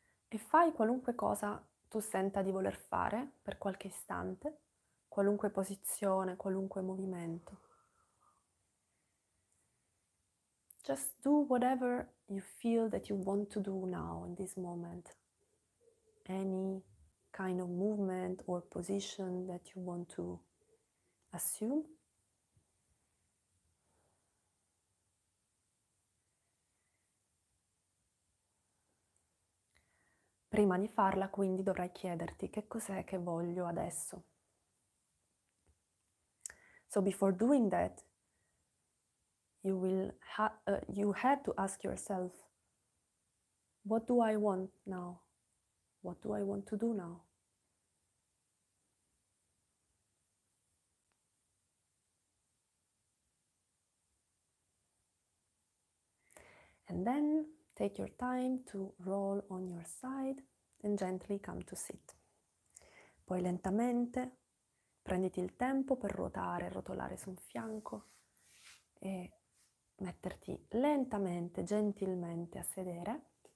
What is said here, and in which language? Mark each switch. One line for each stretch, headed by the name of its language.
Italian: E fai qualunque cosa tu senta di voler fare per qualche istante, qualunque posizione, qualunque movimento.
English: Just do whatever you feel that you want to do now, in this moment. Any kind of movement or position that you want to assume.
Italian: Prima di farla, quindi, dovrai chiederti che cos'è che voglio adesso.
English: So before doing that, you will you had to ask yourself, what do I want now? What do I want to do now? And then take your time to roll on your side and gently come to sit.
Italian: Poi lentamente prenditi il tempo per ruotare, rotolare su un fianco e metterti lentamente, gentilmente a sedere.